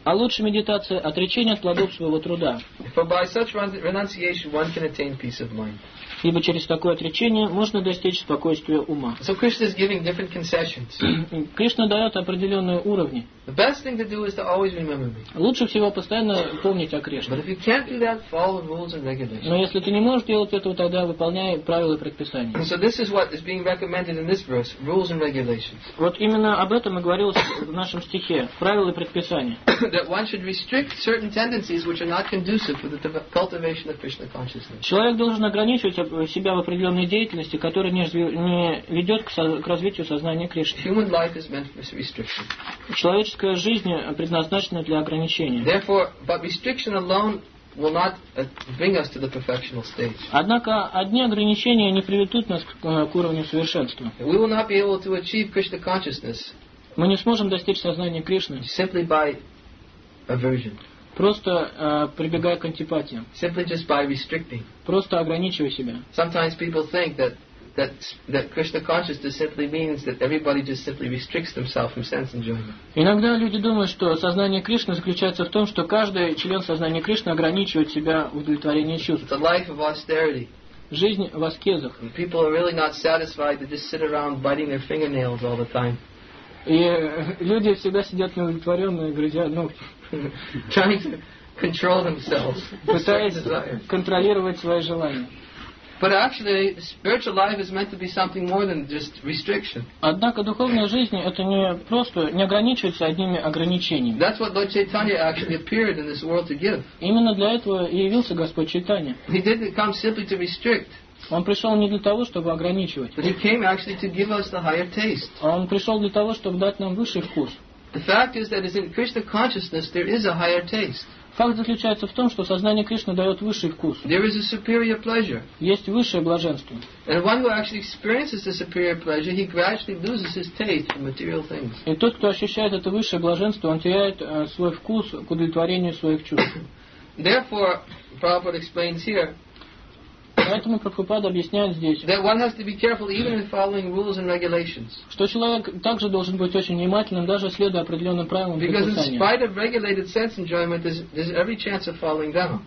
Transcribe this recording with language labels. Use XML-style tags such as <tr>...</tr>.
<ru>А лучше медитация – отречение от плодов своего труда.</ru> <en>For by such renunciation one can attain peace of mind.</en> <ru>Ибо через такое отречение можно достичь спокойствия ума.</ru> <en>So Krishna is giving different concessions.</en> <ru>Кришна дает определенные уровни.</ru> <en>The best thing to do is to always remember me.</en> <ru>Лучше всего постоянно помнить о Кришне.</ru> <en>But if you can't do that, follow rules and regulations.</en> <ru>Но если ты не можешь делать этого, тогда выполняй правила и предписания.</ru> <en>So this is what is being recommended in this verse, rules and regulations.</en> <ru>Вот именно об этом и говорилось в нашем стихе, правила и предписания.</ru> <en>That one should restrict certain tendencies which are not conducive for the cultivation of Krishna consciousness.</en> <ru>Человек должен ограничивать себя в определенной деятельности, которая не ведет к развитию сознания Кришны.</ru> <en>Human life is meant for restriction.</en> <ru>Человеческая жизнь предназначена для ограничения.</ru> <en>Therefore, but restriction alone will not bring us to the perfectional stage.</en> <ru>Однако одни ограничения не приведут нас к уровню совершенства.</ru> <en>We will not be able to achieve Krishna consciousness.</en> <ru>Мы не сможем достичь сознания Кришны.</ru> <en>Simply by aversion.</en> <ru>Просто прибегая к антипатиям.</ru> <en>Simply just by restricting.</en> <ru>Просто ограничивая себя.</ru> <en>Sometimes people think that Krishna consciousness simply means that everybody just simply restricts themselves from sense enjoyment.</en> <ru>Иногда люди думают, что сознание Кришны заключается в том, что каждый член сознания Кришны ограничивает себя в удовлетворении чувств.</ru> <en>The life of austerity.</en> <ru>Жизнь в аскезах.</ru> <en>And people are really not satisfied to just sit around biting their fingernails all the time.</en> <ru>И люди всегда сидят неудовлетворенные, грызя ногти.</ru> <en>Trying to control themselves,</en> <ru>пытаясь контролировать свои желания.</ru> <en>But actually, spiritual life is meant to be something more than just restriction.</en> <ru>Однако духовная жизнь это не просто не ограничивается одними ограничениями.</ru> <en>That's what Lord Chaitanya actually appeared in this world to give.</en> <ru>Именно для этого и явился Господь Чайтанья.</ru> <en>He didn't come simply to restrict.</en> <ru>Он пришел не для того, чтобы ограничивать.</ru> <en>But he came actually to give us the higher taste.</en> <ru>Он пришел для того, чтобы дать нам высший вкус.</ru> <en>The fact is that in Krishna consciousness there is a higher taste.</en> <ru>Факт заключается в том, что сознание Кришны дает высший вкус.</ru> <en>There is a superior pleasure.</en> <ru>Есть высшее блаженство.</ru> <en>And one who actually experiences the superior pleasure, he gradually loses his taste for material things.</en> <ru>И тот, кто ощущает это высшее блаженство, он теряет свой вкус к удовлетворению своих чувств.</ru> <en>Therefore, Prabhupada explains here.</en> <ru>Поэтому Прабхупада объясняет здесь, что человек также должен быть очень внимательным, даже следуя определенным правилам предписания.</ru>